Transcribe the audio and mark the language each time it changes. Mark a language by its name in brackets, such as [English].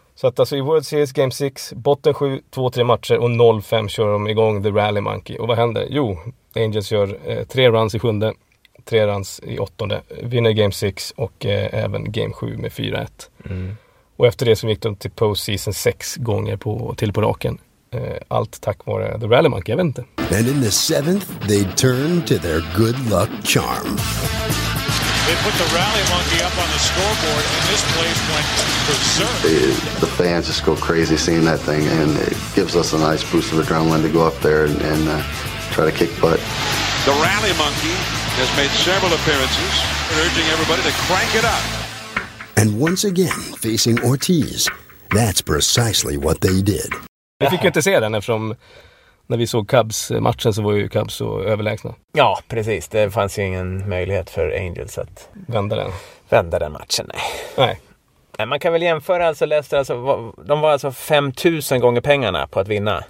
[Swedish] Så att alltså i World Series Game 6, botten 7, 2-3 matcher och 0-5 kör de igång The Rally Monkey. Och vad händer? Jo, Angels gör 3 runs i 7:e, 3 runs i 8:e, vinner Game 6 och även Game 7 med 4-1. Mm. Och efter det så gick de till postseason 6 gånger till på raken. Allt tack vare The Rally Monkey, jag vet inte. [English] And in the 7th, they turn to their good luck charm. They put the Rally Monkey up on the scoreboard and this place went berserk. The fans just go crazy seeing that thing, and it gives us a nice boost of adrenaline to go up there and try to kick butt. The Rally Monkey has made several appearances, urging everybody to crank it up. And once again, facing Ortiz, that's precisely what they did. [Swedish] Vi fick ju inte se den eftersom när vi såg Cubs-matchen så var ju Cubs så överlägsna. Ja, precis. Det fanns ju ingen möjlighet för Angels att vända den matchen. Nej. Nej. Man kan väl jämföra, alltså Leicester, alltså, de var alltså 5000 gånger pengarna på att vinna.